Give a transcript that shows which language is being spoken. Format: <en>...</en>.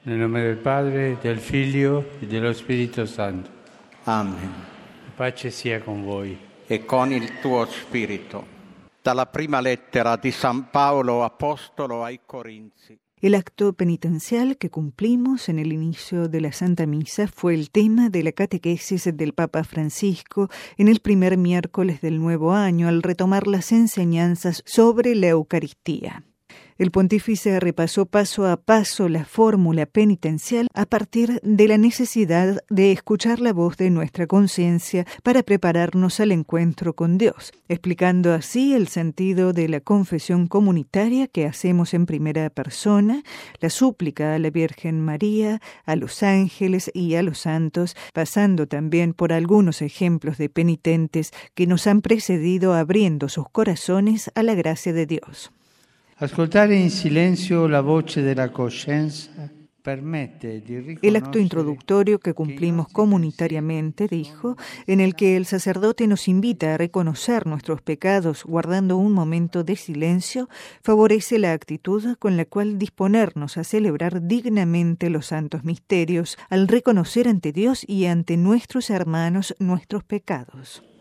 <it>Nel nome del Padre, del Figlio e dello Spirito Santo. Amen. Pace sia con voi. E con il tuo spirito. Dalla prima lettera di San Paolo, Apostolo ai Corinzi.</it> <es>El acto penitencial que cumplimos en el inicio de la Santa Misa fue el tema de la catequesis del Papa Francisco en el primer miércoles del nuevo año al retomar las enseñanzas sobre la Eucaristía. El pontífice repasó paso a paso la fórmula penitencial a partir de la necesidad de escuchar la voz de nuestra conciencia para prepararnos al encuentro con Dios, explicando así el sentido de la confesión comunitaria que hacemos en primera persona, la súplica a la Virgen María, a los ángeles y a los santos, pasando también por algunos ejemplos de penitentes que nos han precedido abriendo sus corazones a la gracia de Dios.</es> <it>Ascoltare in silenzio la voce della coscienza permette di riconoscere.</it> <es>El acto introductorio que cumplimos comunitariamente, dijo, en el que el sacerdote nos invita a reconocer nuestros pecados guardando un momento de silencio, favorece la actitud con la cual disponernos a celebrar dignamente los santos misterios al reconocer ante Dios y ante nuestros hermanos nuestros pecados.</es>